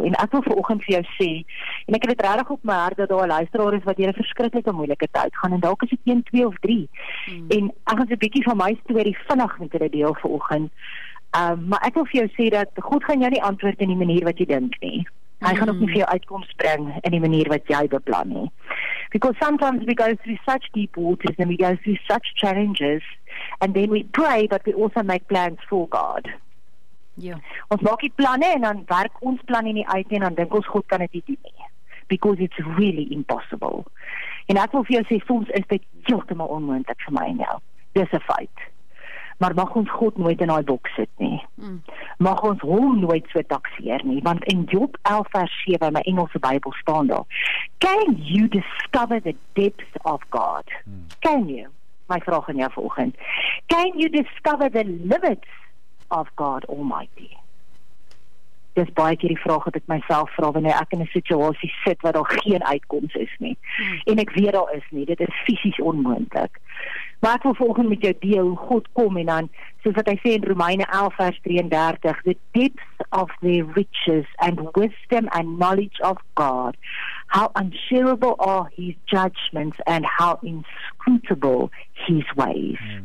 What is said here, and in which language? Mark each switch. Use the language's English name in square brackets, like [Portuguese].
[Afrikaans] En ek wil vanoggend vir jou sê, en ek het regtig op my hart dat daar 'n luisteraar is wat jy 'n verskriklike moeilike tyd gaan, en dalk is dit 1, 2 of 3. Mm. En ek gaan 'n bietjie van my storie vinnig met hulle deel vanoggend. Maar ek wil vir jou sê dat God gaan jou nie antwoord in die manier wat jy dink nie. Hy gaan ook nie vir jou uitkomst bring in die manier wat jy beplan nie. [English] Because sometimes we go through such deep waters and we go through such challenges and then we pray but we also make plans for God. [Afrikaans] Ja. Ons maak die planne en dan werk ons planne nie uit en dan dink ons God kan dit nie doen nie. [English] Because it's really impossible. [Afrikaans] En ek wil vir jou sê, soms is dit heeltemal onmoontlik vir my en jou. Dis 'n feit. Maar mag ons God nooit in daai boks sit nie. Mag ons hom nooit so takseer nie, want in Job 11 vers 7 in my Engelse Bybel staan daar, [English] can you discover the depths of God? Can you? [Afrikaans] My vraag aan jou vanoggend. [English] Can you discover the limits of God Almighty? [Afrikaans] Dis baie keer die vraag wat ek myself vra wanneer ek in 'n situasie sit waar daar geen uitkoms is nie. En ek weet daar is nie, dit is fisies onmoontlik. Maar ek wil volgende met jou deel hoe God kom en dan, soos wat hy sê in Romeine 11 vers 33, [English] the depths of their riches and wisdom and knowledge of God, how unshareable are his judgments and how inscrutable his ways.